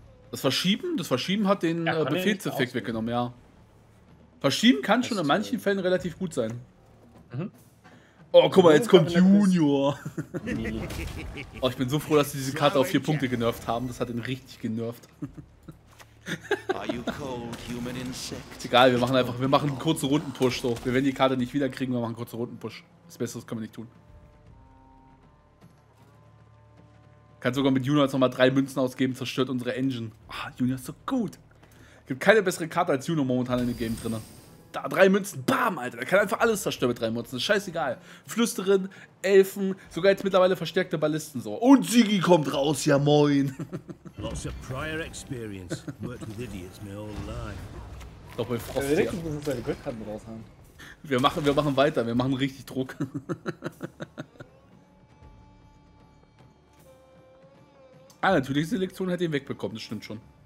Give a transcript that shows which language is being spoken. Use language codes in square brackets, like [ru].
[de] Das Verschieben hat den Befehlseffekt weggenommen, ja. Verschieben kann schon in manchen Fällen relativ gut sein. Mhm. Oh, guck mal, jetzt kommt Junior. Oh, ich bin so froh, dass sie diese Karte auf 4 Punkte genervt haben. Das hat ihn richtig genervt. [en] Are you cold, human insect? [de] Egal, wir machen einen kurzen Rundenpush. So. Wir werden die Karte nicht wiederkriegen, wir machen einen kurzen Rundenpush. Das Beste, das können wir nicht tun. Kann sogar mit Junior jetzt nochmal 3 Münzen ausgeben, zerstört unsere Engine. Ah, Junior ist so gut. Gibt keine bessere Karte als Junior momentan in dem Game drin. Da, 3 Münzen, bam, Alter. Der kann einfach alles zerstören mit 3 Münzen. Scheißegal. Flüsterin, Elfen, sogar jetzt mittlerweile verstärkte Ballisten so. Und Ziggy kommt raus, ja moin. [en] Lots of prior experience. Worked with idiots my whole life. [de] Doch bei Frost. Wir denken, dass wir seine Goldkarten raushauen. Wir machen weiter, wir machen richtig Druck. Ah, natürlich, die Selektion hätte ihn wegbekommen, das stimmt schon.